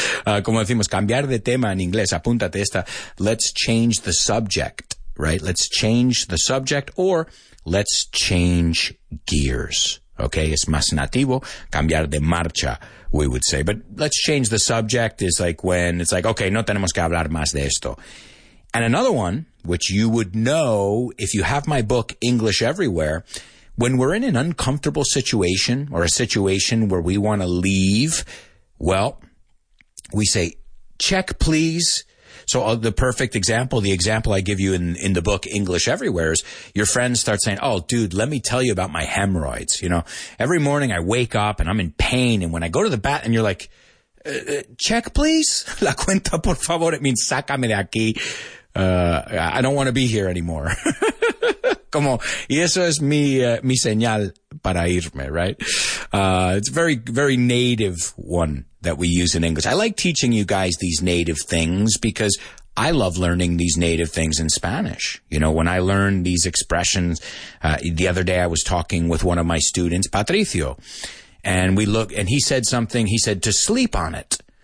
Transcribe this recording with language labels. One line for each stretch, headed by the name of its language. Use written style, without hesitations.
Spanish: Como decimos, cambiar de tema en inglés, apúntate esta.
English: Let's change the subject, right? Let's change the subject or let's change gears.
Spanish: Okay, es más nativo, cambiar de marcha,
English: we would say. But let's change the subject is like when it's like, okay,
Spanish: no tenemos que hablar más de esto.
English: And another one, which you would know if you have my book, English Everywhere, when we're in an uncomfortable situation or a situation where we want to leave, well, we say, check, please. So the perfect example, the example I give you in the book English Everywhere is your friends start saying, oh, dude, let me tell you about my hemorrhoids. You know, every morning I wake up and I'm in pain. And when I go to the bat and you're like, check, please.
Spanish: La cuenta, por favor.
English: It means
Spanish: sácame de aquí.
English: I don't want to be here anymore.
Spanish: Como, y eso es mi señal para irme, right?
English: It's very, very native one that we use in English. I like teaching you guys these native things because I love learning these native things in Spanish. You know, when I learn these expressions, the other day I was talking with one of my students, Patricio, and he said to sleep on it.